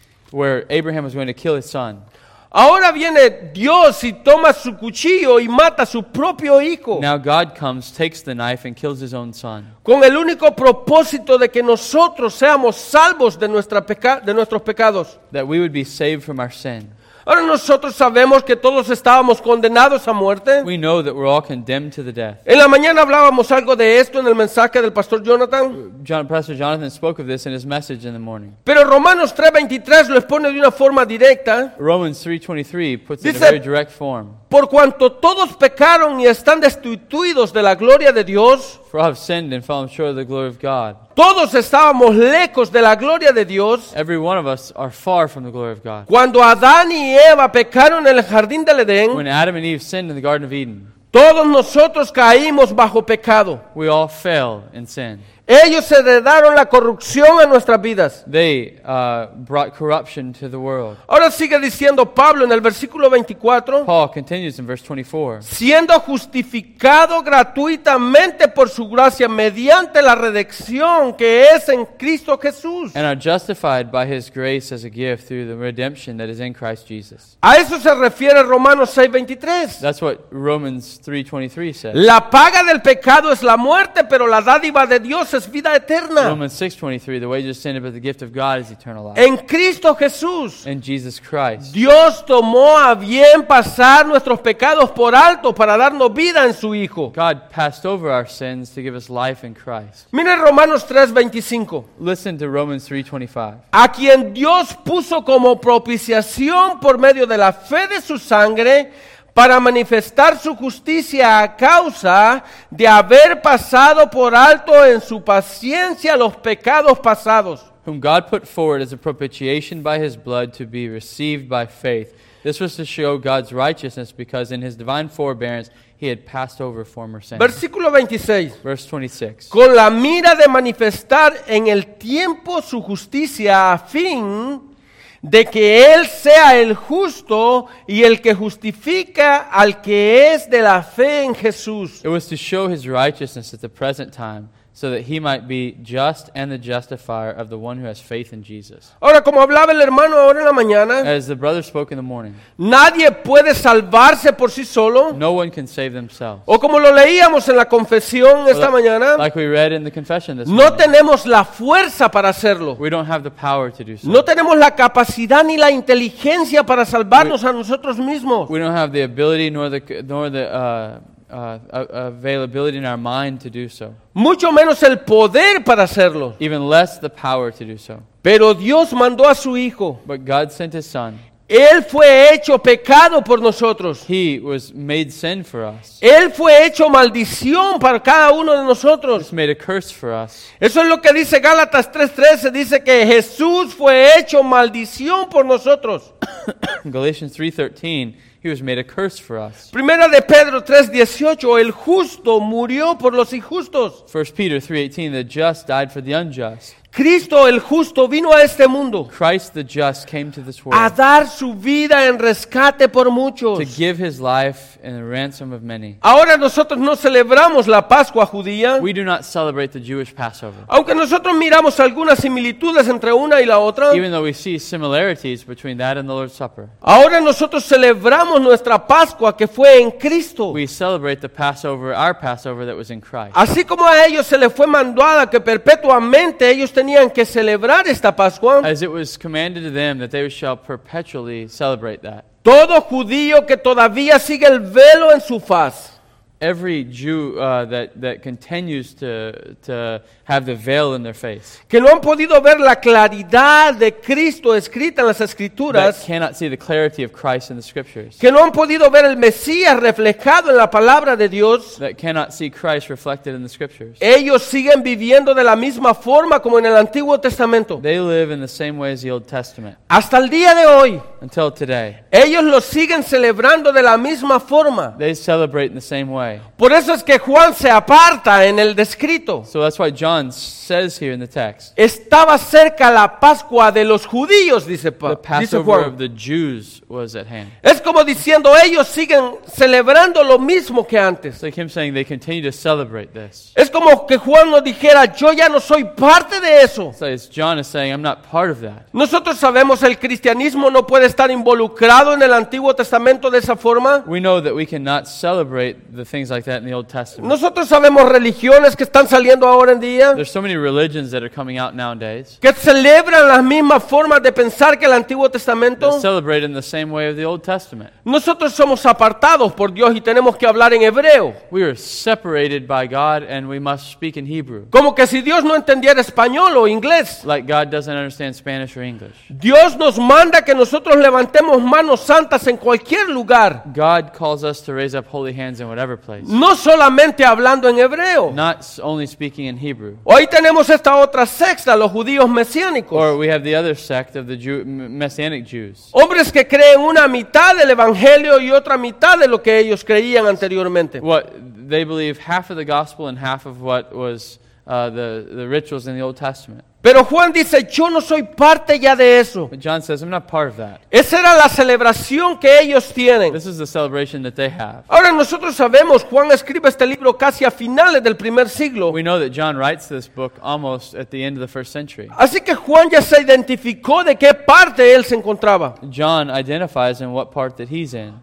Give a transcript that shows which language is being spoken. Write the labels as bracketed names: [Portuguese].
[English] Where Abraham was going to kill his son. [Spanish] Ahora viene Dios y toma su cuchillo y mata a su propio hijo. [English] Now God comes, takes the knife and kills his own son. [Spanish] Con el único propósito de que nosotros seamos salvos de nuestros pecados. [English] That we would be saved from our sin. [Spanish] Ahora nosotros sabemos que todos estábamos condenados a muerte. [English] We know that we're all condemned to the death. [Spanish] En la mañana hablábamos algo de esto en el mensaje del Pastor Jonathan. [English] Pastor Jonathan spoke of this in his message in the morning. [Spanish] Pero Romanos 3:23 lo expone de una forma directa. [English] Romans 3:23 puts it in a very direct form. [Spanish] Por cuanto todos pecaron y están destituidos de la gloria de Dios. [English] For I have sinned and fallen short of the glory of God. [Spanish] Todos estábamos lejos de la gloria de Dios. [English] Every one of us are far from the glory of God. [Spanish] Cuando Adán y Eva pecaron en el jardín del Edén. [English] When Adam and Eve sinned in the Garden of Eden. [Spanish] Todos nosotros caímos bajo pecado. [English] We all fell in sin. [Spanish] Ellos se heredaron la corrupción a nuestras vidas. [English] They brought corruption to the world. [Spanish] Ahora sigue diciendo Pablo en el versículo 24. [English] Paul continues in verse 24. [Spanish] Siendo justificado gratuitamente por su gracia mediante la redención que es en Cristo Jesús. [English] And are justified by his grace as a gift through the redemption that is in Christ Jesus. [Spanish] A eso se refiere Romanos 6:23. [English] That's what Romans 3:23 says. [Spanish] La paga del pecado es la muerte, pero la dádiva de Dios es vida eterna. [English] Romans 6:23, the wages of sin but the gift of God is eternal life. [Spanish] En Cristo Jesús. [English] In Jesus Christ. [Spanish] Dios tomó a bien pasar nuestros pecados por alto para darnos vida en su Hijo. [English] God passed over our sins to give us life in Christ. [Spanish] Mira Romanos 3:25. [English] Listen to Romans 3:25. [Spanish] A quien Dios puso como propiciación por medio de la fe de su sangre para manifestar su justicia a causa de haber pasado por alto en su paciencia los pecados pasados. [English] Whom God put forward as a propitiation by his blood to be received by faith. This was to show God's righteousness because in his divine forbearance he had passed over former sins. [Spanish] Versículo 26. [English] Verse 26. [Spanish] Con la mira de manifestar en el tiempo su justicia a fin de que Él sea el justo y el que justifica al que es de la fe en Jesús. [English] It was to show His righteousness at the present time, so that He might be just and the justifier of the one who has faith in Jesus. [Spanish] Ahora, como hablaba el hermano ahora en la mañana, [English] as the brother spoke in the morning, [Spanish] nadie puede salvarse por sí solo. [English] No one can save themselves. [Spanish] O como lo leíamos en la confesión esta mañana, [English] like we read in the confession this [Spanish] no [English] morning, [Spanish] tenemos la fuerza para hacerlo. [English] We don't have the power to do so. [Spanish] No tenemos la capacidad ni la inteligencia para salvarnos a nosotros mismos. [English] We don't have the ability nor the availability in our mind to do so. [Spanish] Mucho menos el poder para hacerlo. [English] Even less the power to do so. [Spanish] Pero Dios mandó a su Hijo. [English] But God sent His Son. [Spanish] Él fue hecho pecado por nosotros. [English] He was made sin for us. [Spanish] Él fue hecho maldición para cada uno de nosotros. [English] He was made a curse for us. [Spanish] Eso es lo que dice Gálatas 3:13. Dice que Jesús fue hecho maldición por nosotros. [English] Galatians 3:13. He was made a curse for us. [Spanish] Primera de Pedro 3:18, el justo murió por los injustos. [English] 1 Peter 3:18, the just died for the unjust. [Spanish] Cristo el justo vino a este mundo. [English] Christ the just came to this world. [Spanish] A dar su vida en rescate por muchos. [English] To give his life in the ransom of many. [Spanish] Ahora nosotros no celebramos la Pascua judía. [English] We do not celebrate the Jewish Passover. [Spanish] Aunque nosotros miramos algunas similitudes entre una y la otra. [English] Even though we see similarities between that and the Lord's Supper. [Spanish] Ahora nosotros celebramos nuestra Pascua que fue en Cristo. [English] We celebrate the Passover, our Passover that was in Christ. [Spanish] Así como a ellos se les fue mandada que perpetuamente ellos tenían que celebrar esta Pascua. [English] As it was commanded to them that they shall perpetually celebrate that. [Spanish] Todo judío que todavía sigue el velo en su faz. [English] Every Jew that continues to have the veil in their face. [Spanish] Que no han podido ver la claridad de Cristo escrita en las Escrituras. [English] That cannot see the clarity of Christ in the Scriptures. [Spanish] Que no han podido ver el Mesías reflejado en la palabra de Dios. [English] That cannot see Christ reflected in the Scriptures. [Spanish] Ellos siguen viviendo de la misma forma como en el Antiguo Testamento. [English] They live in the same way as the Old Testament. [Spanish] Hasta el día de hoy. [English] Until today. [Spanish] Ellos lo siguen celebrando de la misma forma. [English] They celebrate in the same way. [Spanish] Por eso es que Juan se aparta en el descrito. [English] So that's why John says here in the text. [Spanish] Estaba cerca la Pascua de los judíos, dice Juan. [English] The Passover of the Jews was at hand. [Spanish] Es como diciendo ellos siguen celebrando lo mismo que antes. [English] It's like him saying they continue to celebrate this. [Spanish] Es como que Juan nos dijera yo ya no soy parte de eso. [English] So it's John is saying I'm not part of that. [Spanish] Nosotros sabemos el cristianismo no puede estar involucrado en el Antiguo Testamento de esa forma. [English] We know that we cannot celebrate the things things like that in the Old Testament. [Spanish] Nosotros sabemos religiones que están saliendo ahora en día. [English] There's so many religions that are coming out nowadays. [Spanish] Que celebran las mismas formas de pensar que el Antiguo Testamento. [English] They're celebrating the same way of the Old Testament. [Spanish] Nosotros somos apartados por Dios y tenemos que hablar en hebreo. [English] We are separated by God and we must speak in Hebrew. [Spanish] Como que si Dios no entendiera español o inglés. [English] Like God doesn't understand Spanish or English. [Spanish] Dios nos manda que nosotros levantemos manos santas en cualquier lugar. [English] God calls us to raise up holy hands in whatever place. [Spanish] No solamente hablando en hebreo. [English] Not only speaking in Hebrew. [Spanish] Hoy tenemos esta otra secta, los judíos mesiánicos. [English] Or we have the other sect of the Messianic Jews. [Spanish] Hombres que creen una mitad del evangelio y otra mitad de lo que ellos creían anteriormente. [English] What they believe half of the gospel and half of what was the rituals in the Old Testament. [Spanish] Pero Juan dice, yo no soy parte ya de eso. [English] But John says, I'm not part of that. [Spanish] Esa era la celebración que ellos tienen. [English] This is the celebration that they have. [Spanish] Ahora nosotros sabemos, Juan escribe este libro casi a finales del primer siglo. [English] We know that John writes this book almost at the end of the first century. [Spanish] Así que Juan ya se identificó de qué parte él se encontraba. [English] John identifies in what part that he's in.